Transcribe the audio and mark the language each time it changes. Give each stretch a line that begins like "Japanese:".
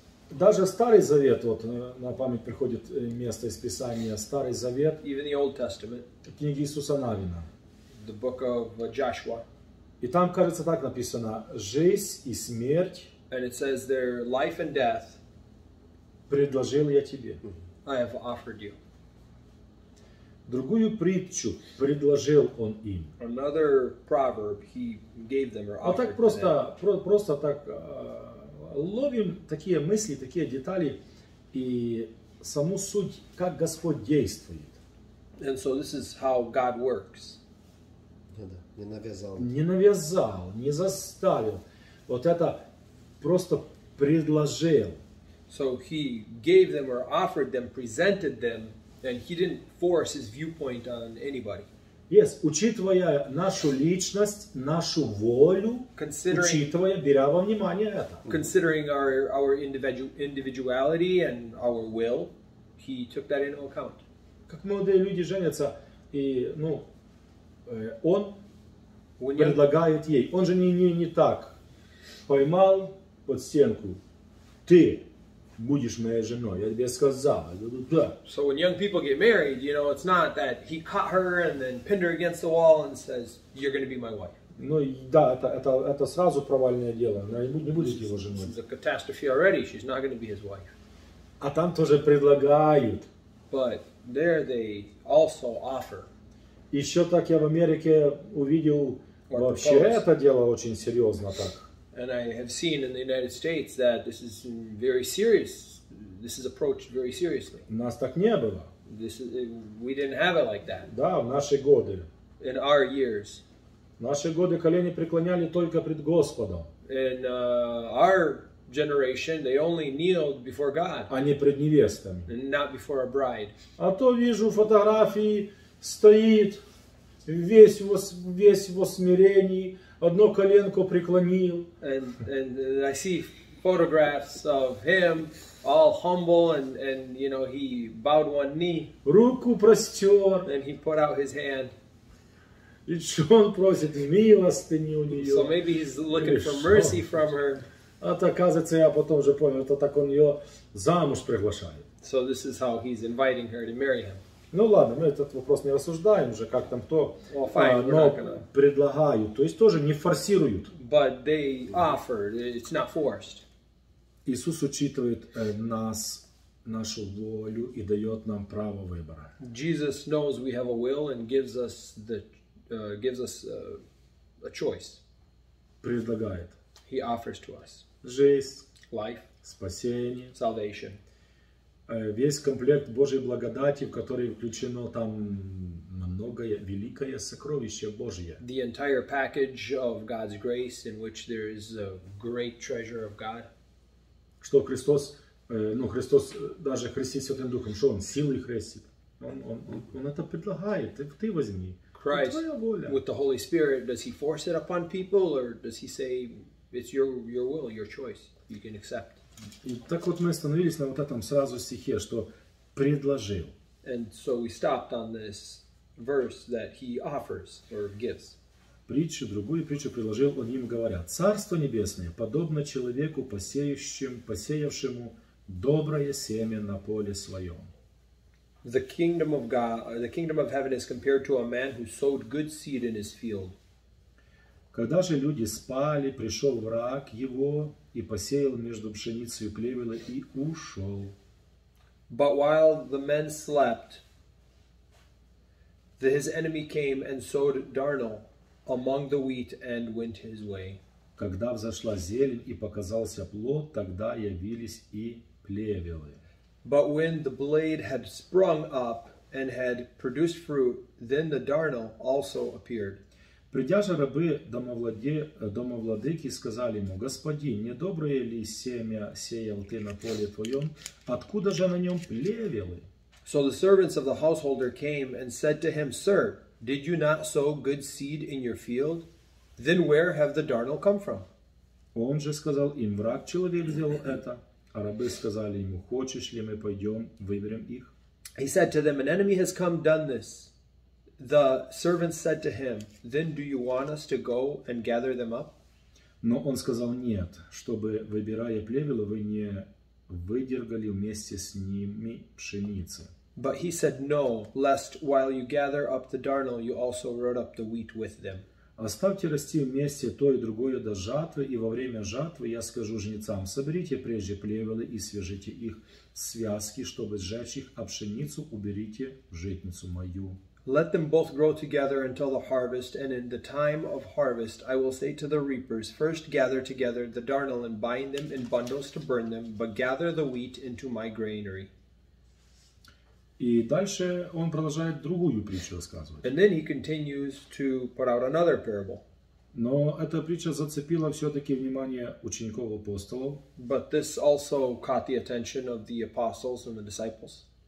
Russian: Даже Старый Завет, вот на память приходит место из Писания, Старый Завет.
English: Even the Old Testament.
Russian: Книги Иисуса Навина.
English: The book of Joshua.
Russian: И там, кажется, так написано: жизнь и смерть.
English: And it says there, life and death.
Russian: Предложил я тебе.
English: I have offered you.
Russian: Другую притчу предложил он им.
English: Another proverb he gave them or offered.
Russian: Вот так просто, просто так ловим такие мысли, такие детали и саму суть, как Господь действует.
English: And so this is how God works.
Russian: Не навязал. Не навязал, не заставил. Вот это просто предложил.
English: So he gave them or offered them, presented them, and he didn't force his viewpoint on anybody. Yes,
Russian: учитывая нашу личность, нашу волю, учитывая, беря во внимание это.
English: Considering our individuality and our will, he took that into account.
Russian: Как молодые люди женятся, и, ну, он предлагает ей. Он же не так поймал под стенку. Ты будешь моей женой. Я тебе сказал. Да.
English: So when young people get married, you know, it's not that he caught her and then pinned her against the wall and says, you're going to be my wife.
Russian: Ну да, это сразу провальное дело. Она не будет его женой.
English: This is a catastrophe already. She's not going to be his wife.
Russian: А там тоже предлагают.
English: But there they also offer.
Russian: Еще так я в Америке увидел, вообще это дело очень серьезно так.
English: And I have seen in the United States that this is very serious. This is approached very seriously.
Russian: У нас так не было.
English: We didn't have it like that.
Russian: Да, в наши годы.
English: In our years.
Russian: В наши годы колени преклоняли только пред Господом.
English: In our generation, they only kneeled before God.
Russian: А не пред невестами.
English: And not before a bride.
Russian: А то вижу фотографии. Стоит весь во смирении, одно коленко преклонил.
English: And I see photographs of him all humble and you know he bowed one knee.
Russian: Руку простер.
English: And he put out his hand.
Russian: И что он просит? Милостыни у нее.
English: So maybe he's looking for mercy from her.
Russian: А то, оказывается, я потом же понял, это так он ее замуж приглашает.
English: So this is how he's inviting her to marry him.
Russian: Ну ладно, мы этот вопрос не рассуждаем уже, как там кто,
English: well, fine,
Russian: но предлагают, то есть тоже не форсируют.
English: But they offer, it's not forced.
Russian: Иисус учитывает нас, нашу волю и дает нам право выбора.
English: Jesus knows we have a will and gives us the a choice.
Russian: Предлагает.
English: He offers to us.
Russian: Жизнь.
English: Life.
Russian: Спасение.
English: Salvation.
Russian: Весь комплект Божьей благодати, в который включено там многое, великое сокровище Божье.
English: The entire package of God's grace in which there is a great treasure of God.
Russian: Что Христос, ну Христос даже крестит Святым Духом, что Он силой крестит. Он это предлагает, ты возьми.
English: Christ with the Holy Spirit, does he force it upon people, or does he say it's your will, your choice, you can accept?
Russian: И так вот мы остановились на вот этом сразу стихе, что предложил.
English: And so we stopped on this verse that he offers or gives.
Russian: Притчу, другую притчу предложил он им, говоря: «Царство небесное подобно человеку, посеявшему доброе семя на поле своем».
English: The kingdom of God, the kingdom of heaven is compared to a man who sowed good seed in his field.
Russian: Когда же люди спали, пришел враг его и посеял между пшеницей плевела и ушел.
English: But while the men slept, his enemy came and sowed darnel among the wheat and went his way.
Russian: Когда взошла зелень и показался плод, тогда явились и плевелы.
English: But when the blade had sprung up and had produced fruit, then the darnel also appeared.
Russian: Придя же рабы домовладыки, сказали ему: «Господин, не доброе ли семя сеял ты на поле твоем? Откуда же на нем плевелы?»
English: So the servants of the householder came and said to him, «Sir, did you not sow good seed in your field? Then where have the darnel come from?»
Russian: Он же сказал им: «Враг человек сделал это». А рабы сказали ему: «Хочешь ли мы пойдем, выберем их?»
English: He said to them, «An enemy has come, done this». The servants said to him, «Then do you want us to go and gather them up?»
Russian: Но он сказал: «Нет, чтобы, выбирая плевелы, вы не выдергали вместе с ними пшеницы».
English: But he said, «No, lest while you gather up the darnel, you also root up the wheat with them».
Russian: «Оставьте расти вместе то и другое до жатвы, и во время жатвы я скажу жнецам: соберите прежде плевелы и свяжите их связки, чтобы сжечь их, а пшеницу уберите в житницу мою».
English: Let them both grow together until the harvest, and in the time of harvest I will say to the reapers, first gather together the darnel and bind them in bundles to burn them, but gather the wheat into my granary.
Russian: И дальше он продолжает другую притчу рассказывать.
English: And then he continues to put out another parable.
Russian: Но эта притча зацепила все-таки внимание учеников апостолов.
English: But this also caught the attention of the apostles and the disciples.